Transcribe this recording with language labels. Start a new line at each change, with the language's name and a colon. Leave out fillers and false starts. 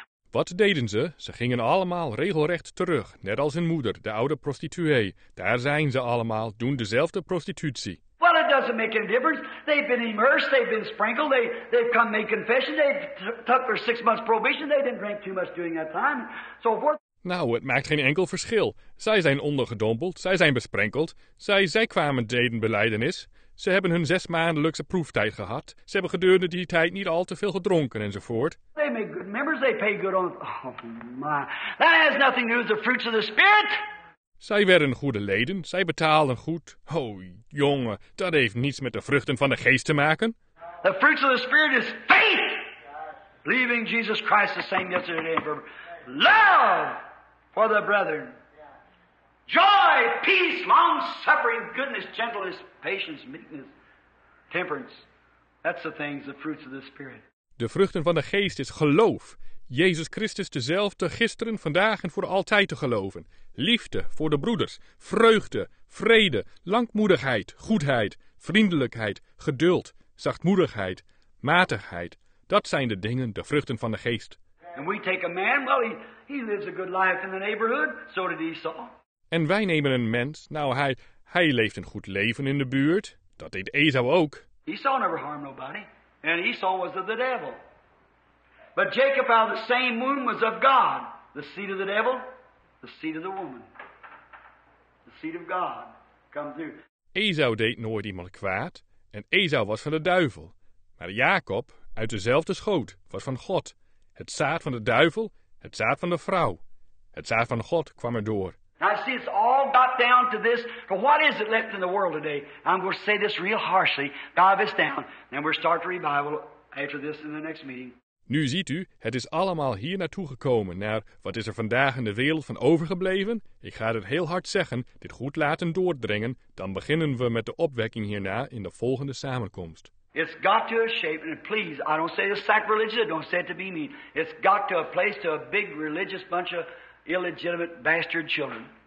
Dutch: Wat deden ze? Ze gingen allemaal regelrecht terug, net als hun moeder, de oude prostituee. Daar zijn ze allemaal, doen dezelfde prostitutie.
English: Well, it doesn't make any difference. They've been immersed, they've been sprinkled, they've come make confession, they've took their 6 months probation, they didn't drink too much during that time, so forth.
Dutch: Nou, het maakt geen enkel verschil. Zij zijn ondergedompeld, zij zijn besprenkeld, zij kwamen deden belijdenis. Ze hebben hun 6 maandelijkse proeftijd gehad. Ze hebben gedurende die tijd niet al te veel gedronken enzovoort.
English: They make good members, they pay good on... Oh my, that has nothing to do with the fruits of the Spirit!
Dutch: Zij werden goede leden, zij betalen goed. Oh, jongen, dat heeft niets met de vruchten van de geest te maken.
English: The fruits of the Spirit is faith. Believing Jesus Christ the same yesterday and forever. Love for the brethren. Joy, peace, long suffering, goodness, gentleness, patience, meekness, temperance. That's the things, the fruits of the Spirit.
Dutch: De vruchten van de geest is geloof. Jezus Christus dezelfde gisteren, vandaag en voor altijd te geloven. Liefde voor de broeders, vreugde, vrede, langmoedigheid, goedheid, vriendelijkheid, geduld, zachtmoedigheid, matigheid. Dat zijn de dingen, de vruchten van de geest.
English: And we take a man, well, he lives a good life in the neighborhood, so did Esau.
Dutch: En wij nemen een mens, nou hij leeft een goed leven in de buurt, dat deed Esau ook.
English: Esau never harmed nobody, and Esau was of the devil. But Jacob out of the same womb was of God, the seed of the devil, the seed of the woman. The seed of God comes through.
Dutch: Esau deed nooit iemand kwaad, en Esau was van de duivel. Maar Jacob, uit dezelfde schoot, was van God. Het zaad van de duivel, het zaad van de vrouw. Het zaad van God kwam erdoor.
English: Now see, it's all got down to this. But what is it left in the world today? I'm going to say this real harshly. Dive this down. Then we'll start the revival after this in the next meeting.
Dutch: Nu ziet u, het is allemaal hier naartoe gekomen. Naar wat is er vandaag in de wereld van overgebleven? Ik ga het heel hard zeggen, dit goed laten doordringen. Dan beginnen we met de opwekking hierna in de volgende samenkomst.
English: It's got to a shape, and please, I don't say this sacrilegious, don't say it to be mean. It's got to a place to a big religious bunch of illegitimate bastard children.